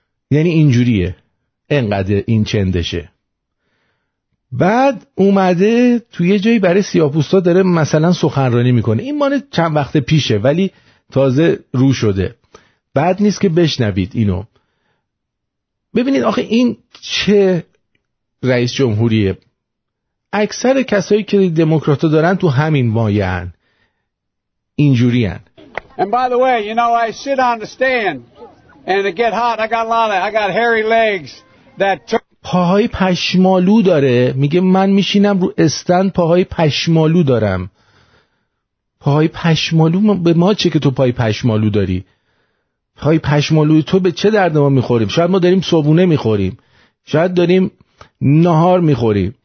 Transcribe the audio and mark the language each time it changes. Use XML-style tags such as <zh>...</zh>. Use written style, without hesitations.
<fa>یعنی اینجوریه، انقدر این چندشه. بعد اومده توی یه جایی برای سیاه‌پوستا داره مثلا سخنرانی میکنه، این مال چند وقت پیشه ولی تازه رو شده، بعد نیست که بشنوید اینو. ببینید آخه این چه رئیس جمهوریه؟ اکثر کسایی که دموکرات‌ها دارن تو همین مایه‌ان، اینجوری‌ان.</fa> <en>And by the way, you know I sit on the stand and it get hot. I got a lot of, I got hairy legs.</en> <fa>پاهای پشمالو داره، میگه من میشینم رو استند پاهای پشمالو دارم. پاهای پشمالو به ما چه که تو پای پشمالو داری؟ پاهای پشمالوی تو به چه درد ما میخوریم؟ شاید ما داریم صبونه میخوریم، شاید داریم نهار میخوریم.</fa>